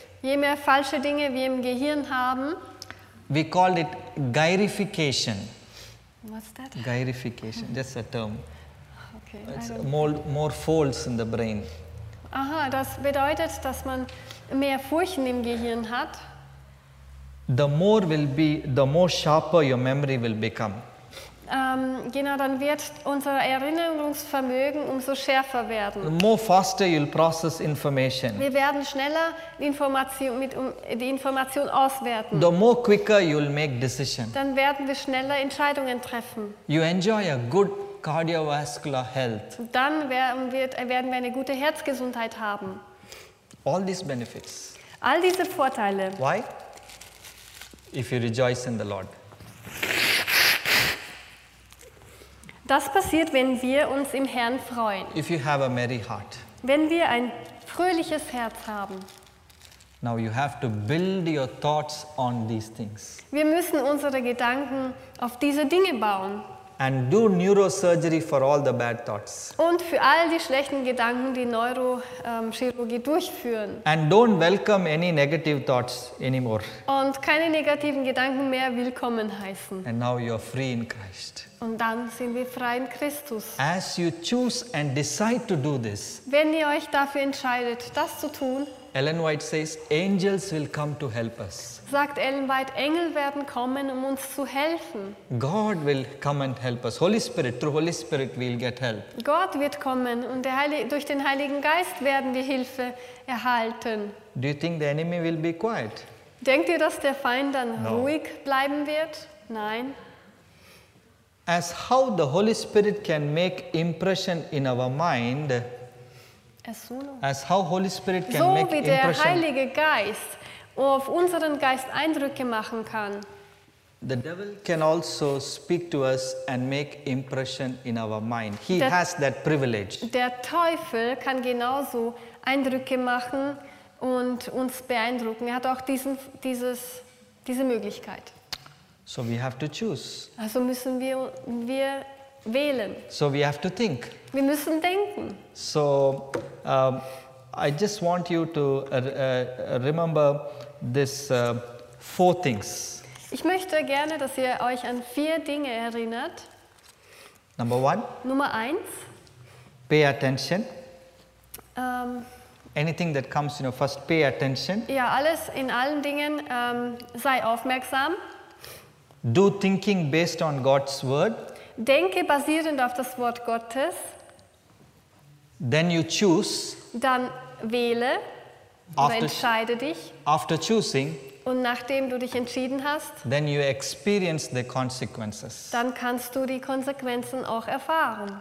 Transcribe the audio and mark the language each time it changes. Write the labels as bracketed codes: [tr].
[de] Je mehr falsche Dinge wir im Gehirn haben. [en] We call it gyrification. What's that? Gyrification, that's a term. Okay, it's more folds in the brain. [de] Aha, das bedeutet, dass man mehr Furchen im Gehirn hat. [en] The more sharper your memory will become. [de] Genau, dann wird unser Erinnerungsvermögen umso schärfer werden. [en] The more faster you'll process information. [de] Wir werden schneller die Information auswerten. [en] The more quicker you'll make decisions. [de] Dann werden wir schneller Entscheidungen treffen. [en] You enjoy a good cardiovascular health. [de] Dann werden wir eine gute Herzgesundheit haben. [en] All these benefits. [de] All diese Vorteile. [en] Why? If you rejoice in the Lord. [de] Das passiert, wenn wir uns im Herrn freuen. [en] If you have a merry heart. [de] Wenn wir ein fröhliches Herz haben. [en] Now you have to build your thoughts on these things. [de] Wir müssen unsere Gedanken auf diese Dinge bauen. [en] And do neurosurgery for all the bad thoughts. [de] Und für all die schlechten Gedanken die Neurochirurgie durchführen. [en] And don't welcome any negative thoughts anymore. [de] Und keine negativen Gedanken mehr willkommen heißen. [en] And now you're free in Christ. [de] Und dann sind wir frei in Christus. [en] As you choose and decide to do this. [de] Wenn ihr euch dafür entscheidet, das zu tun. [en] Ellen White says, angels will come to help us. [de] Sagt Ellen White, Engel werden kommen, um uns zu helfen. [en] God will come and help us. Holy Spirit, through Holy Spirit we'll get help. [de] Gott wird kommen und durch den Heiligen Geist werden wir Hilfe erhalten. [en] Do you think the enemy will be quiet? [de] Denkt ihr, dass der Feind dann ruhig bleiben wird? Nein. [en] As how the Holy Spirit can make impression in our mind. As how Holy Spirit can so make [de] wie der Heilige Geist auf unseren Geist Eindrücke machen kann. [en] The devil can also speak to us and make impression in our mind. He has that privilege. [de] Der Teufel kann genauso Eindrücke machen und uns beeindrucken. Er hat auch diese Möglichkeit. [en] So we have to choose. [de] Also müssen wir wählen. [en] So we have to think. [de] Wir müssen denken. [en] So, I just want you to remember this four things. [de] Ich möchte gerne, dass ihr euch an vier Dinge erinnert. [en] Number one. [de] Nummer eins. [en] Pay attention. Anything that comes, you know, first pay attention. [de] Ja, alles in allen Dingen sei aufmerksam. [en] Do thinking based on God's word. [de] Denke basierend auf das Wort Gottes. [en] Then you choose. [de] Dann wähle oder entscheide dich. [en] After choosing. [de] Und nachdem du dich entschieden hast. [en] Then you experience the consequences. [de] Dann kannst du die Konsequenzen auch erfahren.